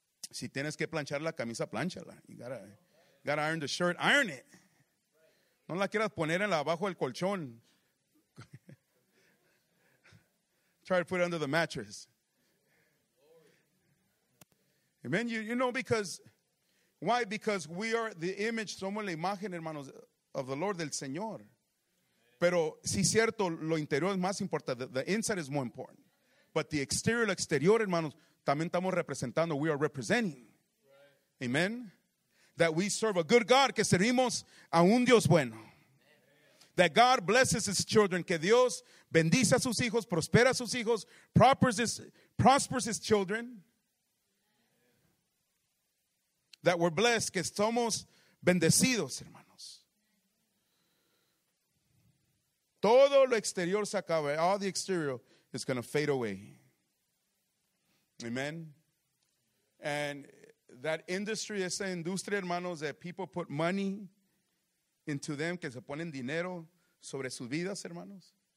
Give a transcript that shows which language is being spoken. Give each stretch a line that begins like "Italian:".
Spanish: Si tienes que planchar la camisa, plánchala.
English: You gotta iron the shirt, iron it.
Spanish: No la quieras poner en la abajo del colchón.
English: Try to put it under the mattress. Amen. You know, because why? Because we are the image,
Spanish: somos la imagen, hermanos,
English: of the Lord,
Spanish: del Señor. Pero sí, cierto, lo interior es más importante.
English: The inside is more important. But the exterior,
Spanish: lo exterior, hermanos, también estamos representando.
English: We are representing. Amen. That we serve a good God,
Spanish: que servimos a un Dios bueno.
English: That God blesses his children,
Spanish: que Dios bendice a sus hijos, prospera a sus hijos,
English: prospers his children. That we're blessed,
Spanish: que somos bendecidos, hermanos. Todo lo exterior se acaba.
English: All the exterior is going to fade away.
Spanish: Amen.
English: And that industry,
Spanish: esa industria, hermanos,
English: that people put money into them,
Spanish: que se ponen dinero sobre sus vidas, hermanos.